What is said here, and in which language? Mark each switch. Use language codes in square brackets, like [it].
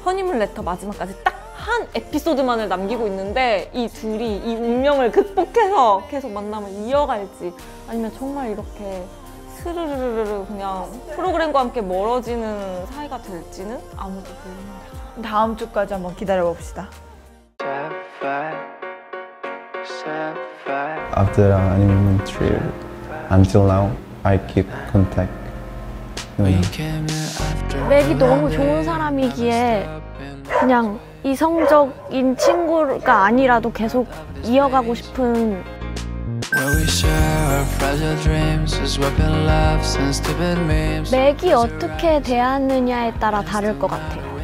[ko] 허니문 레터 마지막까지 딱 한 에피소드만을 남기고 있는데 이 둘이 이 운명을 극복해서 계속 만남을 이어갈지 아니면 정말 이렇게 스르르르르 그냥 프로그램과 함께 멀어지는 사이가 될지는 아무도 모르는 거죠. 다음 주까지 한번 기다려봅시다. 자, [en] After the honeymoon trip, until now, I keep contact. [ko] 맥이 너무 좋은 사람이기에 그냥 이성적인 친구가 아니라도 계속 이어가고 싶은 맥이 어떻게 대하느냐에 따라 다를 것 같아요.